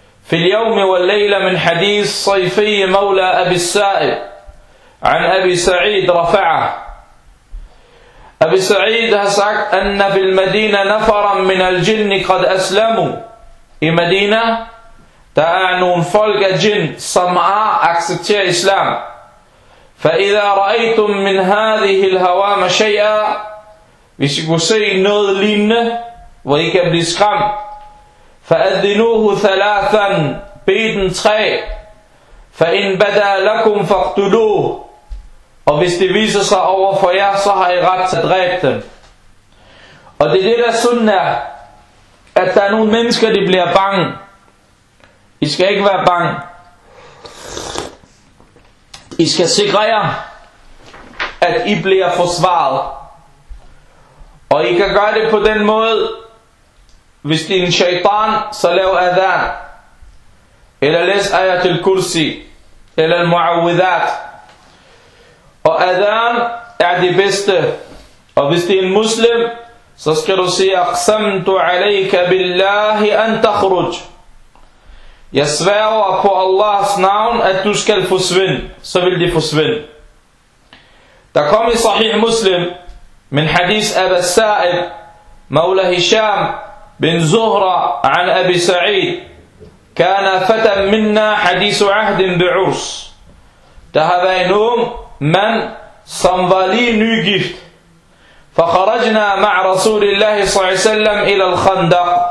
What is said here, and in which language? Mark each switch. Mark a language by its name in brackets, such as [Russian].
[Arabic] في اليوم والليلة من حديث صيفي مولى أبي السائب عن أبي سعيد رفعه. أبي سعيد [Danish] har sagt, [Arabic] أن في المدينة نفرا من الجن قد أسلموا. [Danish] I Medina, der er nogle folk af jinn, som har accepteret islam. [Arabic] فإذا رأيتم من هذه الهوام شيئا. [Danish] Hvis I kunne se noget lignende, hvor I kan blive skræmt. [Arabic] فَأَذِّنُوهُ ثَلَاثًا. [Danish] Bed den 3. [Arabic] فَإِنْ بَدَى لَكُمْ فَقْتُلُوهُ. [Danish] Og hvis det viser sig over for jer, så har I ret til at dræbe dem. Og det er det, der sunnah, at der er nogle mennesker, de bliver bange. I skal ikke være bange. I skal sikre jer, at I bliver forsvaret. Og I kan gøre det på den måde, hvis det er en shaitan, så lav adhan. Eller læs ayat al-kursi, eller al-mu'awwidhat. Og adhan er det bedste. Og hvis det er en muslim, så skal du sige, [Arabic] أَقْسَمْتُ عَلَيْكَ بِاللَّهِ أَنْ تَخْرُجْ. [Danish] Jeg sværger på Allahs navn, at du skal forsvinde, så vil det forsvinde. Der kom i sahih muslim, [Arabic] من حديث أبا السائب مولى هشام بن زهرة عن أبي سعيد كان فتى منا حديث عهد بعرس تهبينهم من صنبالي نيجفت فخرجنا مع رسول الله صلى الله عليه وسلم إلى الخندق